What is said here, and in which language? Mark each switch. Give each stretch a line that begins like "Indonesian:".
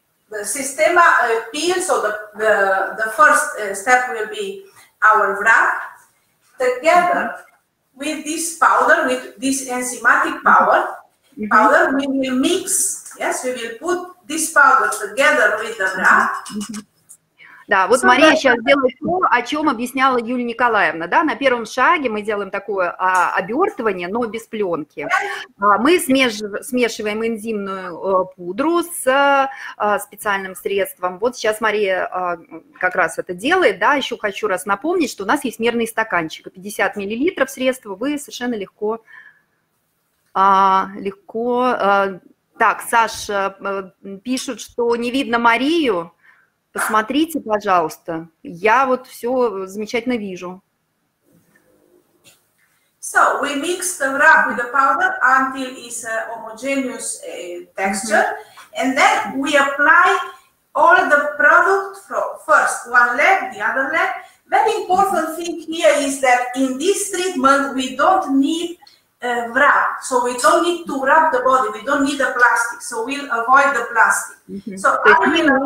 English: The Sistema peel, so the first step will be our wrap, together with this powder, with this enzymatic powder, we will mix, yes, we will put this powder together with the wrap.
Russian: Да, вот Мария сейчас делает то, о чем объясняла Юлия Николаевна. Да, на первом шаге мы делаем такое обертывание, но без пленки. Мы смешиваем энзимную пудру с специальным средством. Вот сейчас Мария как раз это делает. Да, еще хочу раз напомнить, что у нас есть мерный стаканчик. 50 мл средства вы совершенно легко... Так, Саша пишет, что не видно Марию. Посмотрите, пожалуйста. Я вот все замечательно вижу.
English: So we mix the wrap with the powder until it's a homogeneous texture, and then we apply all the product first one leg, the other leg. Very important thing here is that in this treatment we don't need wrap, so we don't need to wrap the body, we don't need the plastic, so we'll avoid the plastic.